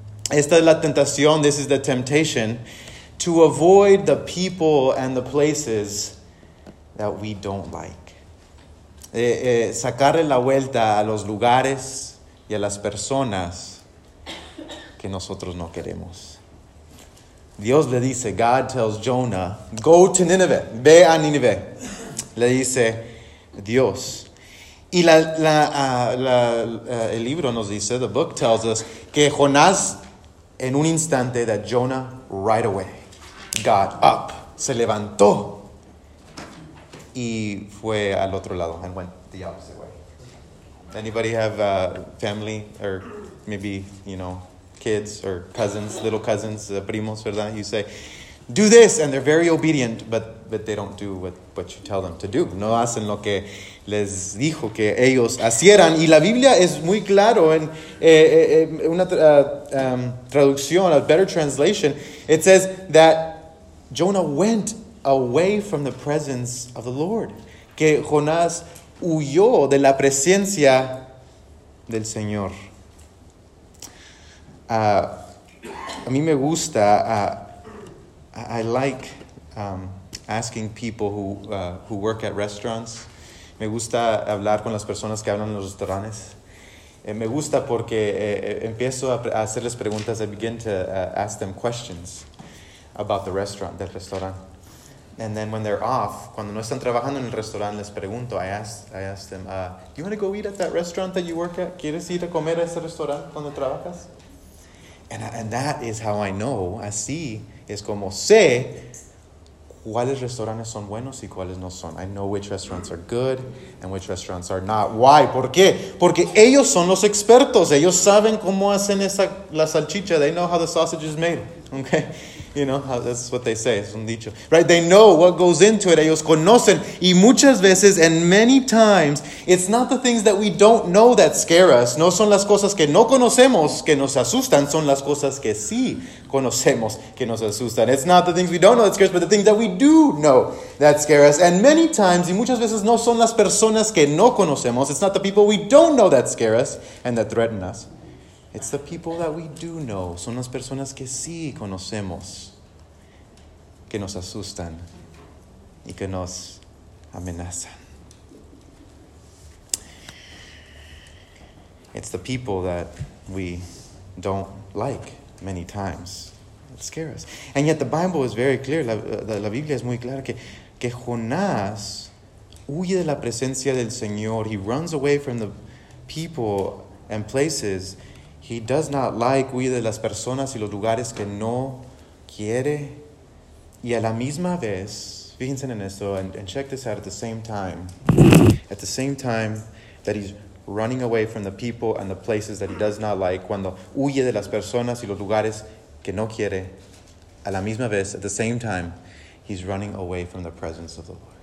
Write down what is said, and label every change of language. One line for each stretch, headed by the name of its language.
Spanish: Esta es la tentación,
English: this is the temptation, to avoid the people and the places that we don't like.
Spanish: Sacarle la vuelta a los lugares y a las personas que nosotros no queremos. Dios le dice,
English: God tells Jonah, go to Nineveh,
Spanish: ve a Nineveh. Le dice Dios. Y el libro nos dice,
English: the book tells us,
Spanish: que Jonás en un instante,
English: that Jonah right away got up,
Spanish: se levantó y fue al otro lado
English: and went the opposite way. Anybody have family or maybe, you know, kids or cousins, little cousins,
Spanish: primos, ¿verdad?
English: You say, do this, and they're very obedient, but they don't do what you tell them to do.
Spanish: No hacen lo que les dijo que ellos hicieran. Y la Biblia es muy claro en una traducción,
English: a better translation. It says that Jonah went away from the presence of the Lord.
Spanish: Que Jonás huyó de la presencia del Señor. A mí me gusta.
English: I like asking people who work at restaurants.
Spanish: Me gusta hablar con las personas que hablan en los restaurantes. Me gusta porque empiezo a hacerles preguntas.
English: I begin to ask them questions about the restaurant,
Spanish: del restaurante.
English: And then when they're off,
Spanish: cuando no están trabajando en el restaurante, les pregunto,
English: I ask them, do you want to go eat at that restaurant that you work at?
Spanish: ¿Quieres ir a comer a ese restaurante donde trabajas?
English: And that is how I know,
Spanish: así es como sé cuáles restaurantes son buenos y cuáles no son.
English: I know which restaurants are good and which restaurants are not. Why?
Spanish: ¿Por qué? Porque ellos son los expertos. Ellos saben cómo hacen esa, la salchicha.
English: They know how the sausage is made. Okay? You know, that's what they say.
Spanish: Es un dicho.
English: Right? They know what goes into it.
Spanish: Ellos conocen. Y muchas veces,
English: and many times, it's not the things that we don't know that scare us.
Spanish: No son las cosas que no conocemos que nos asustan. Son las cosas que sí conocemos que nos asustan.
English: It's not the things we don't know that scare us, but the things that we do know that scare us. And many times,
Spanish: y muchas veces, no son las personas que no conocemos.
English: It's not the people we don't know that scare us and that threaten us. It's the people that we do know.
Spanish: Son las personas que sí conocemos que nos asustan y que nos amenazan.
English: It's the people that we don't like many times that scare us. And yet the Bible is very clear.
Spanish: La Biblia es muy clara que Jonás huye de la presencia del Señor.
English: He runs away from the people and places. He does not like,
Spanish: huye de las personas y los lugares que no quiere. Y a la misma vez, fíjense en esto,
English: and check this out, at the same time that he's running away from the people and the places that he does not like,
Spanish: cuando huye de las personas y los lugares que no quiere, a la misma vez,
English: at the same time, he's running away from the presence of the Lord.